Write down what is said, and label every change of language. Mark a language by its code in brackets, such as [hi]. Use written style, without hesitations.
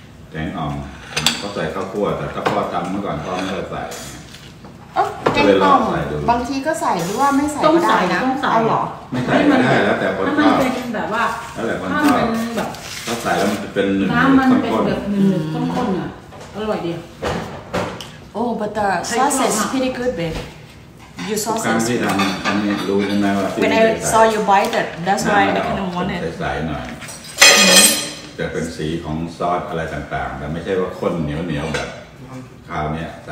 [th] แกงอ่อมก็ใส่ข้าวคั่วแต่ข้าวคั่วจำเมื่อก่อนพ่อไม่เคยใส่ แกงอ่อมบางทีก็ใส่หรือว่าไม่ใส่ก็ได้นะ ต้องใส่ เอาหรอ ไม่ใส่ไม่ได้แล้วแต่คนชอบ มัน เป็นแบบว่า แล้วแต่คนชอบ มันแบบ ถ้าใส่แล้วมันจะเป็นหนึ่ง น้ำมันเป็นแบบหนึ่งข้นข้นอ่ะอร่อยดี [en] Oh, but the sauce is pretty good, babe. Your sauce is pretty good. When I saw you buy that, that's why I kind of wanted it. [th] จะเป็นสีของซอสอะไรต่างๆแต่ไม่ใช่ว่าข้นเหนียวๆแบบคราวเนี้ยใส